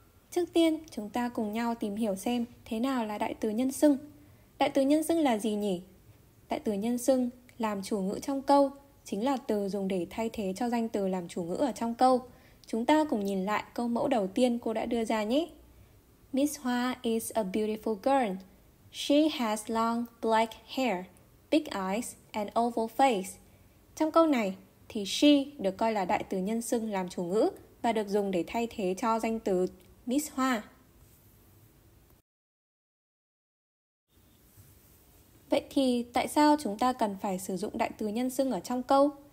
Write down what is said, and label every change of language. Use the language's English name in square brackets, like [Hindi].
[Vietnamese] Trước tiên, chúng ta cùng nhau tìm hiểu xem thế nào là đại từ nhân xưng. Đại từ nhân xưng là gì nhỉ? Đại từ nhân xưng làm chủ ngữ trong câu chính là từ dùng để thay thế cho danh từ làm chủ ngữ ở trong câu. Chúng ta cùng nhìn lại câu mẫu đầu tiên cô đã đưa ra nhé. [English] Miss Hoa is a beautiful girl. She has long black hair, big eyes and oval face. [Vietnamese] Trong câu này thì she được coi là đại từ nhân xưng làm chủ ngữ và được dùng để thay thế cho danh từ Miss Hoa. Vậy thì tại sao chúng ta cần phải sử dụng đại từ nhân xưng ở trong câu?